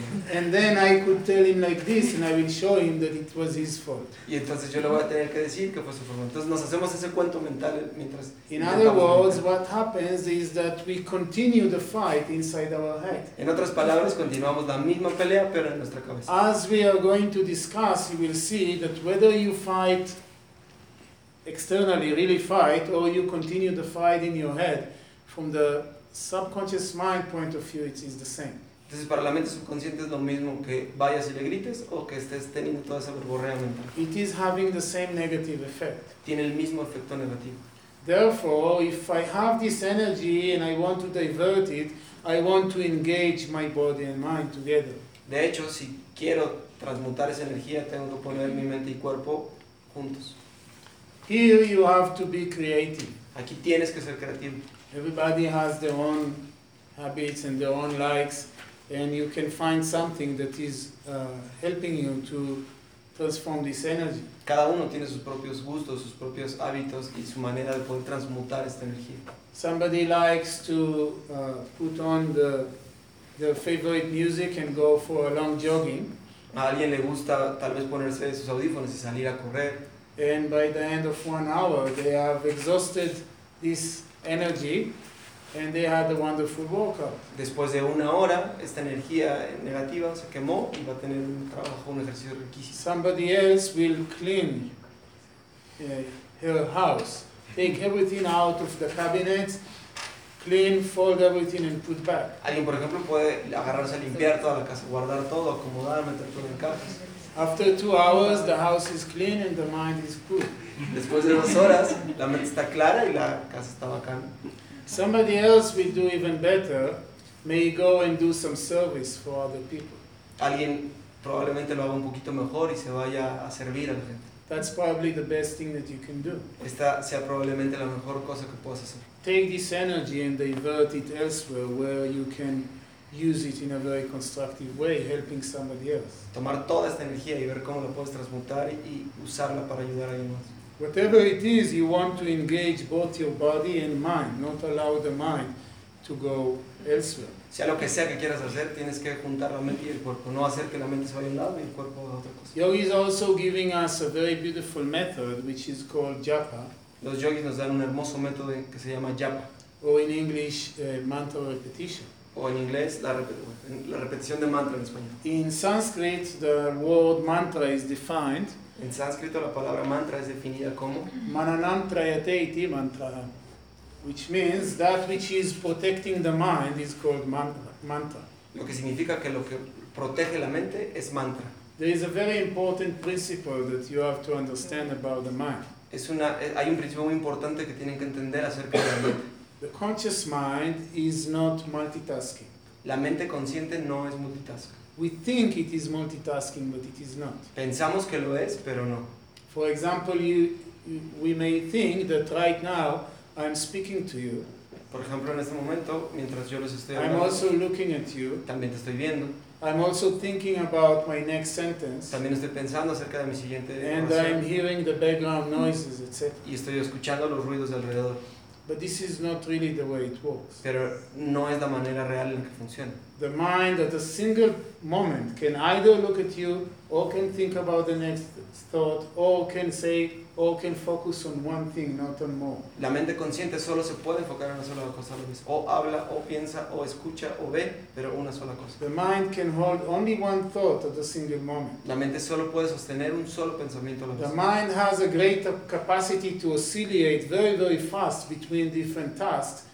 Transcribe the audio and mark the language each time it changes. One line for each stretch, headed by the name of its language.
English: And then I could tell him like this, and I will show him that it was his fault.
Spanish: Y entonces yo le voy a tener que decir que fue su fault. Entonces nos hacemos ese cuento mental mientras.
English: In other words, what happens is that we continue the fight inside our head.
Spanish: En otras palabras, continuamos la misma pelea, pero en nuestra cabeza.
English: As we are going to discuss, you will see that whether you fight externally, really fight, or you continue the fight in your head, from the subconscious mind point of view, it is the same.
Spanish: Entonces, para la mente subconsciente es lo mismo que vayas y le grites o que estés teniendo toda esa verborrea mental.
English: It is having the same negative effect.
Spanish: Tiene el mismo efecto negativo.
English: Therefore, if I have this energy and I want to divert it, I want to engage my body and mind together.
Spanish: De hecho, si quiero transmutar esa energía, tengo que poner mi mente y cuerpo juntos.
English: Here you have to be creative.
Spanish: Aquí tienes que ser creativo.
English: Everybody has their own habits and their own likes, and you can find something that is helping you to transform this energy.
Spanish: Cada uno tiene sus propios gustos, sus propios hábitos y su manera de poder transmutar esta energía.
English: Somebody likes to put on their favorite music and go for a long jogging.
Spanish: A alguien le gusta tal vez ponerse sus audífonos y salir a correr.
English: And by the end of 1 hour, they have exhausted this energy. And they had a wonderful workout.
Spanish: Después de una hora, esta energía negativa se quemó y va a tener un trabajo, un ejercicio riquísimo.
English: Somebody else will clean her house, take everything out of the cabinets, clean, fold everything and put back.
Spanish: Alguien, por ejemplo, puede agarrarse a limpiar toda la casa, guardar todo, acomodar, meter todo en cajas.
English: After 2 hours, the house is clean and the mind is cool.
Spanish: Después de 2 horas, la mente está clara y la casa está bacana.
English: Somebody else will do even better, may go and do some service for other people.
Spanish: Alguien probablemente lo haga un poquito mejor y se vaya a servir a la gente.
English: That's probably the best thing that you can do.
Spanish: Esta sea probablemente la mejor cosa que puedas hacer.
English: Take this energy and divert it elsewhere where you can use it in a very constructive way, helping somebody else.
Spanish: Tomar toda esta energía y ver cómo la puedes transmutar y usarla para ayudar a alguien más.
English: Whatever it is, you want to engage both your body and mind, not allow the mind to go elsewhere.
Spanish: Sea lo que sea que quieras hacer, tienes que juntar la mente y el cuerpo, no hacer que la mente se vaya a un lado y el cuerpo a otra cosa.
English: Yogi is also giving us a very beautiful method, which is called japa.
Spanish: Los yogis nos dan un hermoso método que se llama japa.
English: O in English, mantra repetition.
Spanish: O en inglés, la repetición de mantra en español.
English: In Sanskrit, the word mantra is defined.
Spanish: En sánscrito la palabra mantra es definida como
Sanskrit: mananam trayate iti mantra,
English: which means that which is protecting the mind is called mantra.
Spanish: Lo que significa que lo que protege la mente es mantra.
English: There is a very important principle that you have to understand about the mind.
Spanish: Hay un principio muy importante que tienen que entender acerca de la mente.
English: The conscious mind is not multitasking.
Spanish: La mente consciente no es multitask.
English: We think it is multitasking, but it is not.
Spanish: Pensamos que lo es, pero no.
English: For example, we may think that right now I'm speaking to you.
Spanish: Por ejemplo, en este momento, mientras yo los estoy hablando,
English: I'm also looking at you.
Spanish: También te estoy viendo.
English: I'm also thinking about my next sentence.
Spanish: También estoy pensando acerca de mi siguiente oración.
English: And I'm hearing the background noises, etc.
Spanish: Y estoy escuchando los ruidos de alrededor.
English: But this is not really the way it works.
Spanish: Pero no es la manera real en que funciona.
English: The mind at a single moment can either look at you or can think about the next thought or can say or can focus on one thing, not on more.
Spanish: La mente consciente solo se puede enfocar en una sola cosa a la vez. O habla, o piensa, o escucha, o ve, pero una sola cosa.
English: The mind can hold only one thought at a single moment.
Spanish: La mente solo puede sostener un solo pensamiento a la vez.
English: The mind has a great capacity to oscillate very, very fast between different tasks.